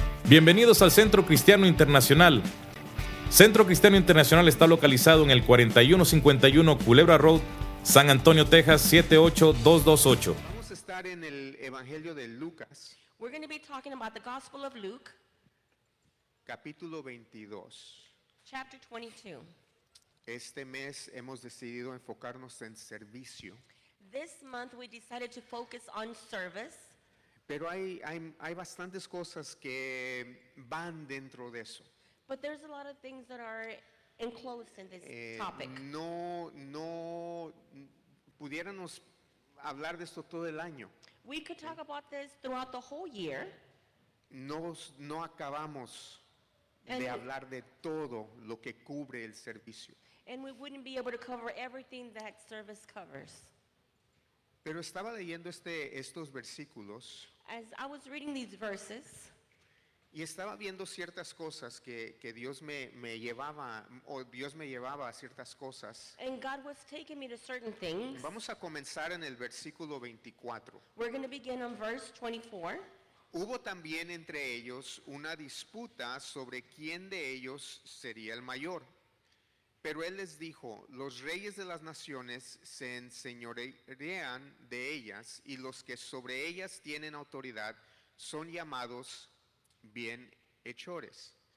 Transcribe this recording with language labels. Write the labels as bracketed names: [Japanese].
[Spanish] Bienvenidos al Centro Cristiano Internacional. Centro Cristiano Internacional está localizado en el 4151 Culebra Road, San Antonio, Texas, 78228. Vamos a estar en el Evangelio de Lucas. [English] We're going to be talking about the Gospel of Luke. [Spanish] Capítulo 22. [English] Chapter 22. [Spanish] Este mes hemos decidido enfocarnos en servicio. [English] This month we decided to focus on service. [Spanish] Pero hay bastantes cosas que van dentro de eso. [English] But there's a lot of things that are enclosed in this topic. [Spanish] No pudiéramos hablar de esto todo el año. [English] We could talk about this throughout the whole year. [Spanish] No acabamos de hablar de todo lo que cubre el servicio. [English] And we wouldn't be able to cover everything that service covers. [Spanish] Pero estaba leyendo estos versículos. [English] As I was reading these verses, [Spanish] y estaba viendo ciertas cosas que Dios me llevaba, o Dios me llevaba a ciertas cosas. [English] And God was taking me to certain things. [Spanish] Vamos a comenzar en el versículo 24. [English] We're going to begin on verse 24. [Spanish] Hubo también entre ellos una disputa sobre quién de ellos sería el mayor. Pero él les dijo, los reyes de las naciones se enseñorean de ellas, y los que sobre ellas tienen autoridad son llamados bienhechores.